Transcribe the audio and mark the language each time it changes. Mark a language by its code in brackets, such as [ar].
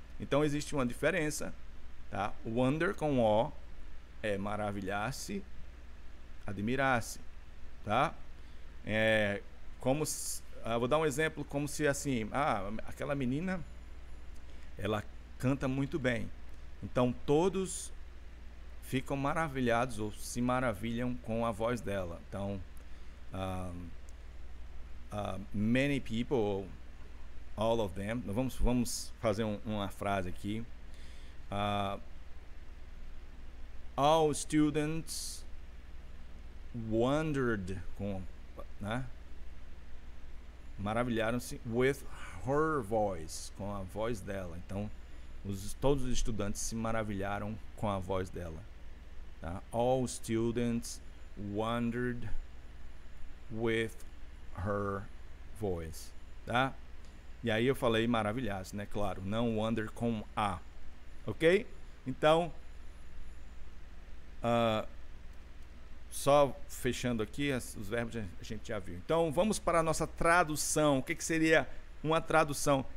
[pt] Então existe uma diferença, tá? Wonder com O é maravilhar-se, admirar-se, tá? É como se, vou dar um exemplo, como se assim, aquela menina, ela canta muito bem. Então todos ficam maravilhados ou se maravilham com a voz dela. Então, [en] many people, all of them. [pt] Vamos fazer uma frase aqui. [en] All students wondered [pt] com, né? Maravilharam-se [en] with her voice, [pt] com a voz dela. Então, todos os estudantes se maravilharam com a voz dela. [en] All students wondered with her voice, [pt] tá? E aí eu falei maravilhoso, né? Claro, não wonder com A, ok? Então, só fechando aqui, os verbos a gente já viu. Então, vamos para a nossa tradução. O que que seria uma tradução?